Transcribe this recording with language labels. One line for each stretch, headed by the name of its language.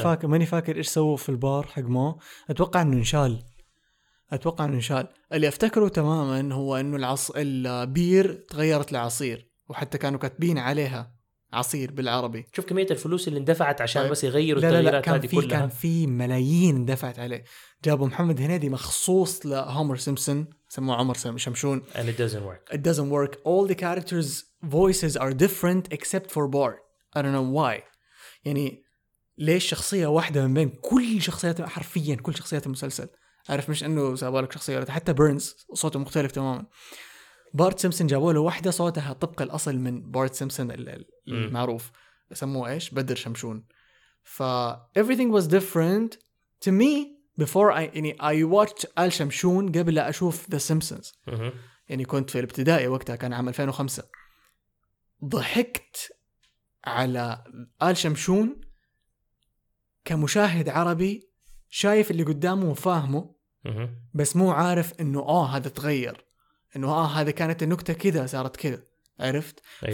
Arabic: ماني فاكر إيش سووا في البار حق ما، أتوقع أنه إنشال اللي افتكره تماما هو انه البير تغيرت لعصير، وحتى كانوا كاتبين عليها عصير بالعربي. شوف كمية الفلوس اللي اندفعت عشان بس يغيروا التغييرات هذه كلها. كان في ملايين اندفعت عليه، جابوا محمد هنيدي مخصوص لهومر سيمبسون، سموه عمر شمشون.
English: And it doesn't work. It doesn't work. All the characters' voices are different except for Bart. I don't know why.
Arabic: يعني ليش شخصية واحدة من بين كل شخصيات، حرفيا كل شخصيات المسلسل، عارف، مش انه سابالك شخصية، حتى بيرنز صوته مختلف تماما. بارت سيمبسون جابوا له واحدة صوتها طبق الاصل من بارت سيمبسون المعروف، سموه ايش، بدر شمشون.
English: ف everything was different to me before I watched آل شمشون
Arabic: قبل لا أشوف
English: The Simpsons.
Arabic: يعني كنت في الابتدائي وقتها، كان عام 2005. ضحكت على آل شمشون كمشاهد عربي شايف اللي قدامه وفاهمه بس مو عارف انه هذا تغير، انه هذا كانت النكتة كده صارت كده، عرفت؟ أيوة.